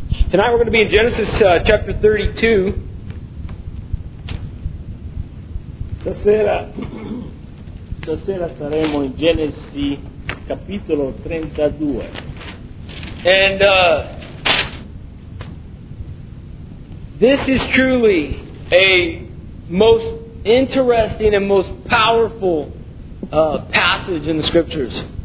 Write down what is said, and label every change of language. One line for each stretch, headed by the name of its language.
English: Tonight we're going to be in Genesis chapter 32.
Italian: Stasera saremo in Genesi capitolo 32.
English: And this is truly a most interesting and most powerful passage in the scriptures.